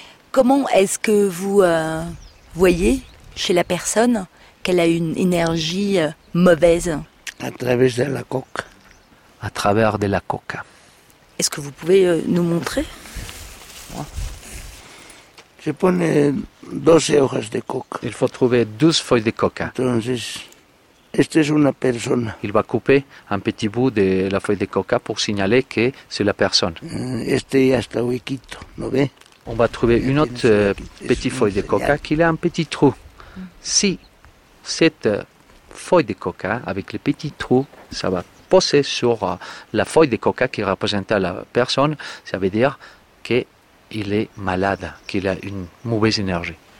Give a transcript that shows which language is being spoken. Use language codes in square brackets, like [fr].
[fr] Comment est-ce que vous voyez chez la personne qu'elle a une énergie mauvaise? À travers de la coca. À travers de la coca. Est-ce que vous pouvez nous montrer? [es] Je pone 12 hojas de coca. [fr] Il faut trouver 12 feuilles de coca. [es] Entonces, esta es una persona. [fr] Il va couper un petit bout de la feuille de coca pour signaler que c'est la personne. [es] Este ya está huequito, ¿no ve? [fr] On va trouver une autre petite feuille de coca qui a un petit trou. Si cette feuille de coca avec le petit trou, ça va posé sur la feuille de coca qui représentait la personne, ça veut dire qu'il est malade, qu'il a une mauvaise énergie.